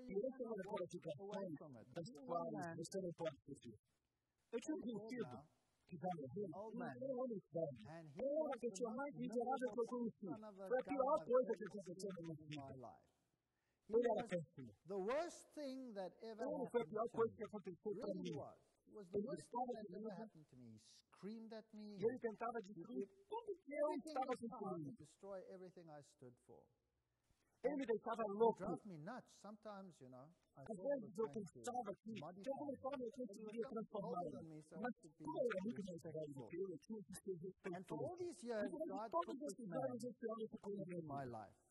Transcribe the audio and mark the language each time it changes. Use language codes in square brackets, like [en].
[pt] E essa é uma boa situação das quais você não pode fugir. Eu tinha um conhecido que já morreu, mas era um homem velho. Ele era a pessoa mais miserável que eu conheci. Foi a pior coisa que aconteceu na minha vida. Ele era péssimo. [en] The worst thing that ever [pt] foi a pior coisa que aconteceu para mim. [en] was the worst thing that ever happened to me. He screamed at me. [pt] E ele tentava destruir tudo que eu estava construindo. [en] Destroy everything I stood for. [pt] Ele me deixava louco. [en] Drove me nuts. Sometimes, you know, [pt] às vezes eu pensava que de alguma forma eu conseguiria transformá-lo. Mas como era muito mais agradável, eu tinha que ser respeitoso. [en] And all these years, God put this man in my life.